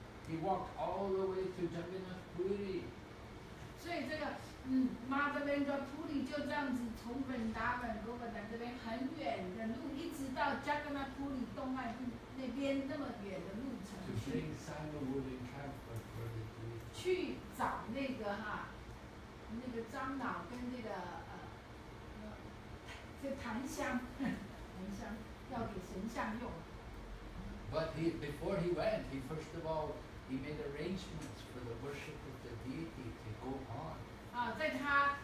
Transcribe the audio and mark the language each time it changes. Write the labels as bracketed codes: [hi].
[en] He walked all the way to Jagannath Puri. So this, Madhavendra Puri, just like this, from Vrindavan, Govardhan, this is a very far road, up to Jagannath Puri, the northern part, that is a very far road. To bring sandalwood and camphor for the deity. [zh] 去找那个哈，那个樟脑跟这个檀香，要给神像用。 [en] But before he went, he first of all, he made arrangements for the worship of the deity to go on.